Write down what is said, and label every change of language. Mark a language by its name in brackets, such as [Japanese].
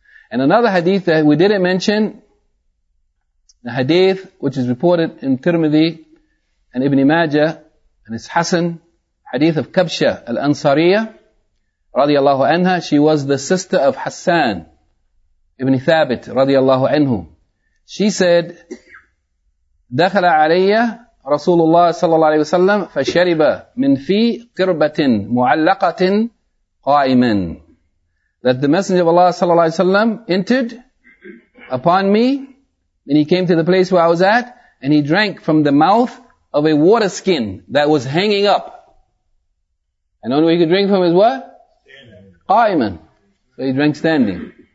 [English] And another hadith that we didn't mention, the hadith which is reported in Tirmidhi and Ibn Majah, and it's Hassan, hadith of Kabsha al-Ansariyah, radiallahu anha, she was the sister of Hassan ibn Thabit, radiallahu anhu. She said, [Arabic] دَخَلَ عَلَيَّ رَسُولُ اللَّهِ صَلَّى اللَّهِ عَلَيْهِ وَسَلَّمْ فَشَرِبَ مِنْ فِي قِرْبَةٍ مُعَلَّقَةٍ قَائِمًا. [English] That the Messenger of Allah sallallahu alayhi wa sallam entered upon me and he came to the place where I was at and he drank from the mouth of a water skin that was hanging up. And the only way he could drink from is what? Standing. Qa'iman. So he drank standing.